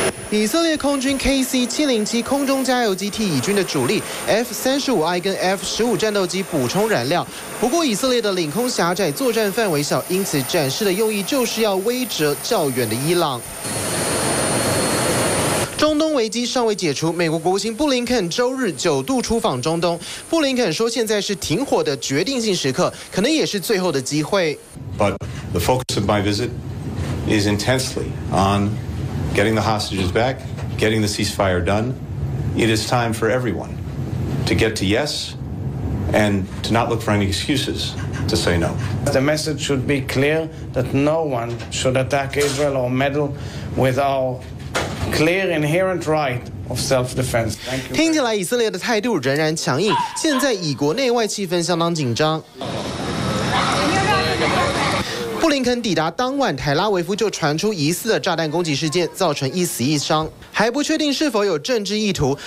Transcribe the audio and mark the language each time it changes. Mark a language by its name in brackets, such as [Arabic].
[Chinese] 以色列空军 KC-707 空中加油机替以军的主力 F-35I 跟 F-15 战斗机补充燃料，不过以色列的领空狭窄，作战范围小，因此展示的用意就是要威慑较远的伊朗。中东危机尚未解除，美国国务卿布林肯周日九度出访中东。布林肯说，现在是停火的决定性时刻，可能也是最后的机会。 [English] But the focus of my visit is intensely on getting the hostages back, getting the ceasefire done. It is time for everyone to get to yes and to not look for any excuses to say no. The message should be clear that no one should attack Israel or meddle with our clear inherent right. [Chinese] 听起来以色列的态度仍然强硬，现在以国内外气氛相当紧张。布林肯抵达当晚，泰拉维夫就传出疑似的炸弹攻击事件，造成一死一伤，还不确定是否有政治意图。